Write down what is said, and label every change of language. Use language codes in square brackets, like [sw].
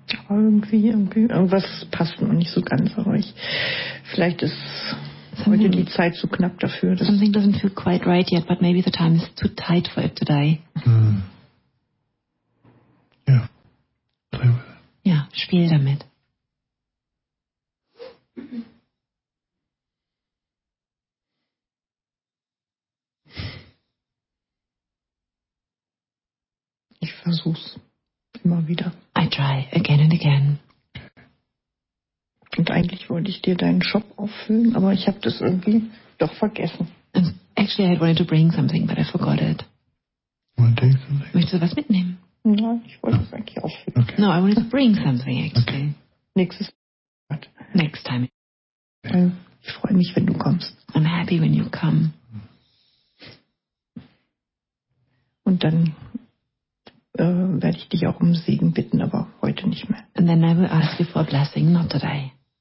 [de] Irgendwie, irgendwas passt noch nicht so ganz auf euch. Vielleicht ist something, heute die Zeit zu knapp dafür. [en] Something doesn't feel quite right yet, but maybe the time is too tight for it today. Mm. Yeah. Play with it. [de] Ja, spiel damit. Ich versuch's. Immer wieder. [en] I try again and again. [de] Und eigentlich wollte ich dir deinen Shop auffüllen, aber ich habe das irgendwie doch vergessen. [en] And actually, I wanted to bring something, but I forgot it. Want to take something? [de] Möchtest du was mitnehmen? Nein, ich wollte es eigentlich auffüllen. [en] Okay. No, I wanted to bring something, actually. [de] Okay. Nächstes Mal. [en] Next time. [de] Okay. Ich freue mich, wenn du kommst. [en] I'm happy when you come. [de] Und dann... werde ich dich auch um Segen bitten, aber heute nicht mehr. [en] And then I will ask you for a blessing, not today.